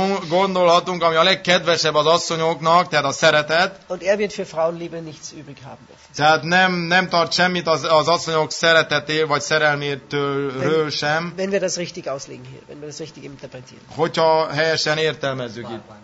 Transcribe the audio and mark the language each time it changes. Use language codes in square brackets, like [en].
[hu] Gondolhatunk, ami a legkedvesebb az asszonyoknak, tehát a szeretet. [de] Und er wird für Frauenliebe nichts übrig haben. [hu] Tehát nem tart semmit az asszonyok szeretete vagy szerelmétől sem. [de] Wenn wir das richtig auslegen hier, wenn wir das richtig interpretieren. [hu] Hogyha helyesen értelmezzük itt.